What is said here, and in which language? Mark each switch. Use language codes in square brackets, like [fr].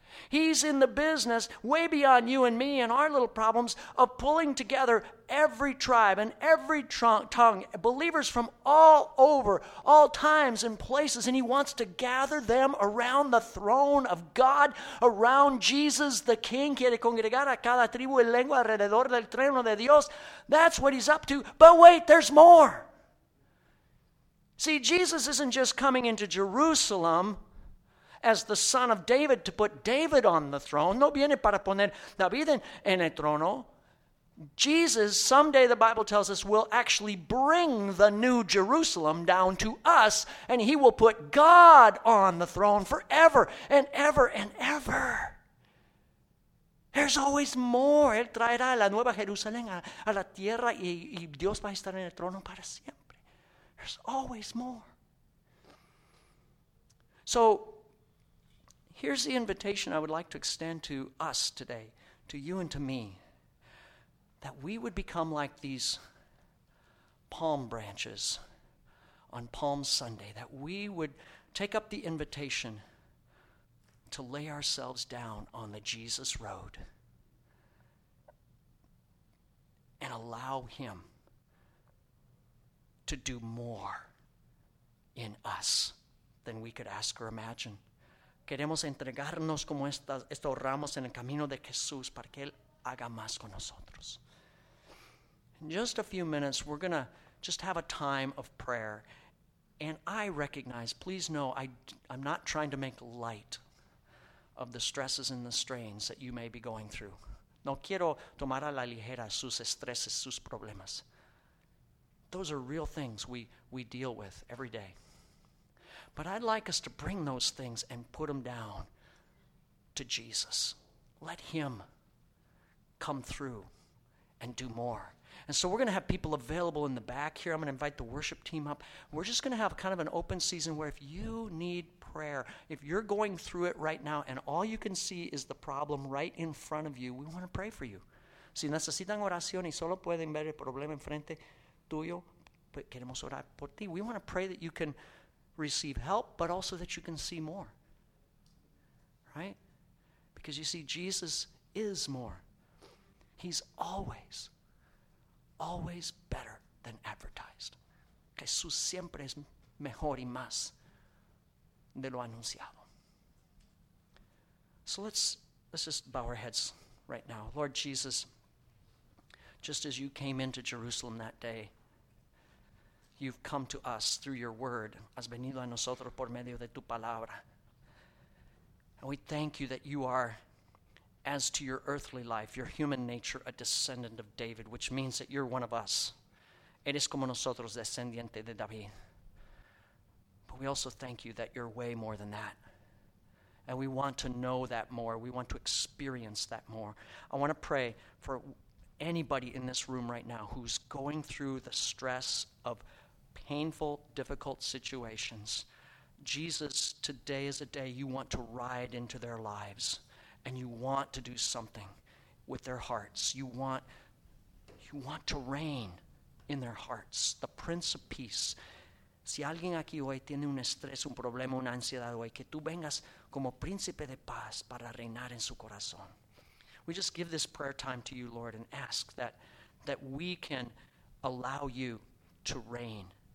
[en] He's in the business way beyond you and me and our little problems of pulling together every tribe and every tongue, believers from all over, all times and places, and he wants to gather them around the throne of God, around Jesus the King. [es] Quiere congregar a cada tribu y lengua alrededor del trono de Dios. [en] That's what he's up to. But wait, there's more. See, Jesus isn't just coming into Jerusalem as the son of David to put David on the throne. [es] No viene para poner David en el trono. [en] Jesus, someday the Bible tells us, will actually bring the new Jerusalem down to us, and he will put God on the throne forever and ever and ever. There's always more. [es] Él traerá la nueva Jerusalén a la tierra y Dios va a estar en el trono para siempre. [en] There's always more. So, here's the invitation I would like to extend to us today, to you and to me, that we would become like these palm branches on Palm Sunday, that we would take up the invitation to lay ourselves down on the Jesus road and allow him to do more in us than we could ask or imagine. [es] Queremos entregarnos como estos ramos en el camino de Jesús para que Él haga más con nosotros. [en] In just a few minutes, we're going to just have a time of prayer. And I recognize, please know, I'm not trying to make light of the stresses and the strains that you may be going through. [es] No quiero tomar a la ligera sus estreses, sus problemas. [en] Those are real things we deal with every day. But I'd like us to bring those things and put them down to Jesus. Let him come through and do more. And so we're going to have people available in the back here. I'm going to invite the worship team up. We're just going to have kind of an open season where if you need prayer, if you're going through it right now and all you can see is the problem right in front of you, we want to pray for you. [es] Si necesitan oración y solo pueden ver el problema enfrente tuyo, queremos orar por ti. [en] We want to pray that you can receive help, but also that you can see more, right? Because you see, Jesus is more. He's always, always better than advertised. [es] Jesús siempre es mejor y más de lo anunciado. [en] So let's just bow our heads right now. Lord Jesus, just as you came into Jerusalem that day, you've come to us through your word. [es] Has venido a nosotros por medio de tu palabra. [en] And we thank you that you are, as to your earthly life, your human nature, a descendant of David, which means that you're one of us. [es] Eres como nosotros, descendiente de David. [en] But we also thank you that you're way more than that. And we want to know that more. We want to experience that more. I want to pray for anybody in this room right now who's going through the stress of painful, difficult situations. Jesus, today is a day you want to ride into their lives and you want to do something with their hearts. You want to reign in their hearts, the Prince of Peace. [es] Si alguien aquí hoy tiene un estrés, un problema, una ansiedad hoy, que tú vengas como Príncipe de Paz para reinar en su corazón. [en] We just give this prayer time to you, Lord, and ask that we can allow you to reign.